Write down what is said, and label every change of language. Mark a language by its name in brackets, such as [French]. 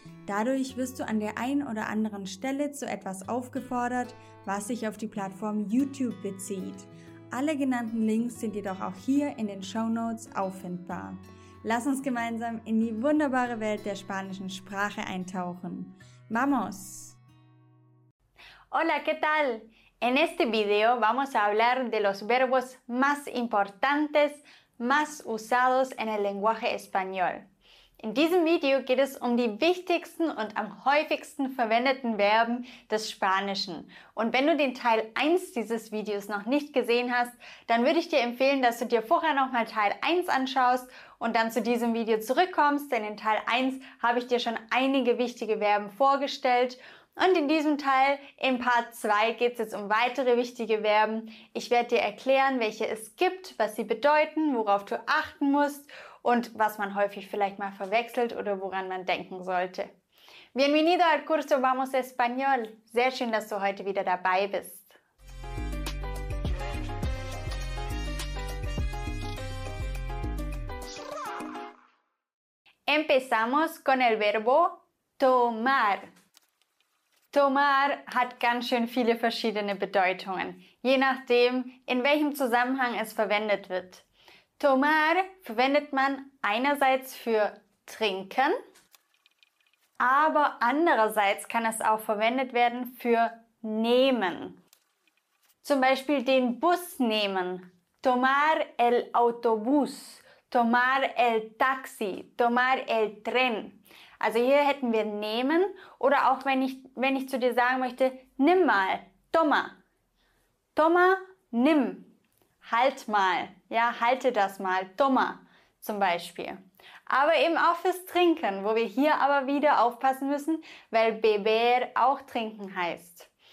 [German] Dadurch wirst du an der einen oder anderen Stelle zu etwas aufgefordert, was sich auf die Plattform YouTube bezieht. Alle genannten Links sind jedoch auch hier in den Shownotes auffindbar. Lass uns gemeinsam in die wunderbare Welt der spanischen Sprache eintauchen. [Spanish] ¡Vamos! Hola, ¿qué tal? En este video vamos a hablar de los verbos más importantes, más usados en el lenguaje español. [German] In diesem Video geht es um die wichtigsten und am häufigsten verwendeten Verben des Spanischen. Und wenn du den Teil 1 dieses Videos noch nicht gesehen hast, dann würde ich dir empfehlen, dass du dir vorher nochmal Teil 1 anschaust und dann zu diesem Video zurückkommst, denn in Teil 1 habe ich dir schon einige wichtige Verben vorgestellt. Und in diesem Teil, in Part 2, geht es jetzt um weitere wichtige Verben. Ich werde dir erklären, welche es gibt, was sie bedeuten, worauf du achten musst und was man häufig vielleicht mal verwechselt oder woran man denken sollte. [Spanish] Bienvenido al curso Vamos Español. [German] Sehr schön, dass du heute wieder dabei bist. [Spanish] Empezamos con el verbo tomar. [German] Tomar hat ganz schön viele verschiedene Bedeutungen, je nachdem, in welchem Zusammenhang es verwendet wird. Tomar verwendet man einerseits für trinken, aber andererseits kann es auch verwendet werden für nehmen. Zum Beispiel den Bus nehmen. [Spanish] Tomar el autobús, tomar el taxi, tomar el tren. [German] Also hier hätten wir nehmen oder auch wenn ich zu dir sagen möchte, nimm mal, toma. Toma, nimm. Halt mal, ja, halte das mal, toma zum Beispiel. Aber eben auch fürs Trinken, wo wir hier aber wieder aufpassen müssen, weil beber auch trinken heißt.